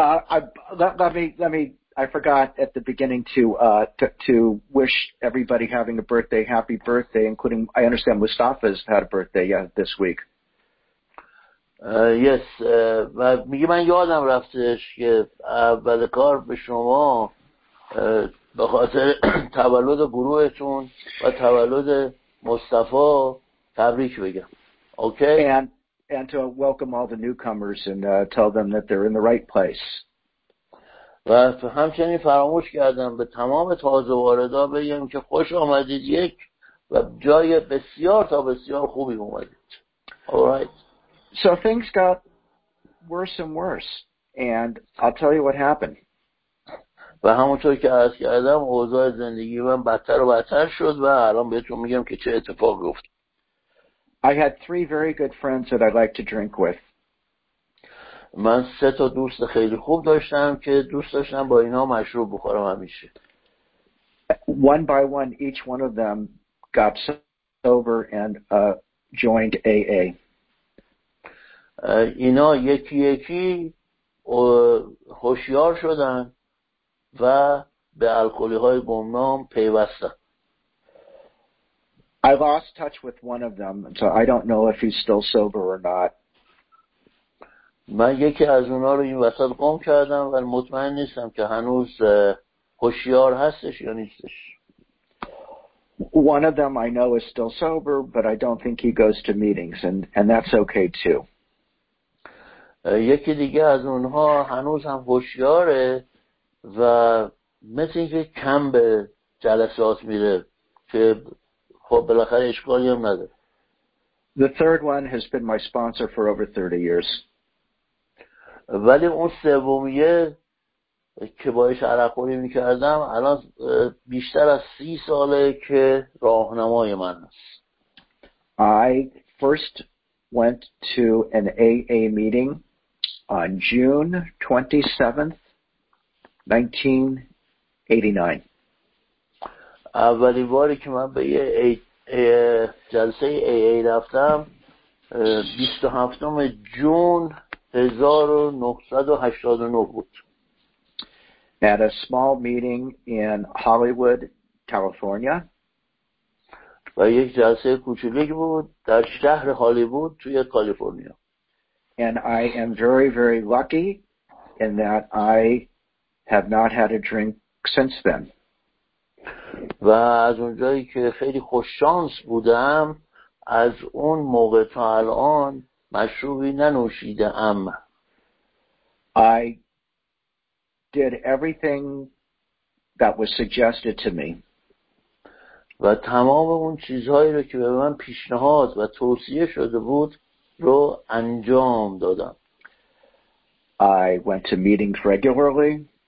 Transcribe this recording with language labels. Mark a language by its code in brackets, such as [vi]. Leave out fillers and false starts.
[en] I forgot at the beginning to wish everybody having a birthday, happy birthday, including I understand Mustafa's had a birthday this week. [fa] Yes, و میگه من یادم رفتش که اول کار به شما به خاطر تولد گروهتون و تولد مصطفی تبریک بگم. Okay. [en] And to welcome all the newcomers and tell them that they're in the right place. [fa] و همچنین فراموش کردم به تمام تازه واردا بگم که خوش آمدید یک و جای بسیار تا بسیار خوبی اومدید. All right. [en] So things got worse and worse, and I'll tell you what happened. [fa] و همونطور که عرض کردم اوضاع زندگی من بدتر و بدتر شد و الان بهتون میگم که چه اتفاق افتاد. [en] I had 3 very good friends that I'd like to drink with. [fa] من 3 تا دوست خیلی خوب داشتم که دوست داشتم با اینا مشروب بخورم همیشه. [en] One by one, each one of them got sober and joined AA. [fa] اینا یکی یکی هوشیار شدن و به الکلی‌های گمنام پیوستن. [en] I lost touch with one of them, so I don't know if he's still sober or not. [fa] من یکی از اونا رو این وسط گم کردم و مطمئن نیستم که هنوز هوشیار هستش یا نیستش. [en] One of them I know is still sober, but I don't think he goes to meetings, and that's okay too. [fa] یکی دیگه از اونها هنوز هم هوشیاره و مثل اینکه کم به جلسات میره که خب بالاخره اشکالی هم نداره. [en] The third one has been my sponsor for over 30 years. [fa] ولی اون سومیه که باهاش عرق خوری میکردم الان بیشتر از 30 ساله که راهنمای من است. [en] I first went to an AA meeting on June 27th, 1989. [fa] اولین باری که من به یه جلسه AA رفتم 27 جون 1989 بود. [en] At a small meeting in Hollywood, California. [fa] و یک جلسه کوچولیک بود در شهر هالیوود توی کالیفرنیا. [en] And I am very, very lucky in that I have not had a drink since then. [fa] و از اونجایی که خیلی خوششانس بودم از اون موقع تا الان مشروبی ننوشیده ام. [en] I did everything that was suggested to me. [fa] و تمام اون چیزهایی رو که به من پیشنهاد و توصیه شده بود رو انجام دادم. [en] I went to meetings regularly.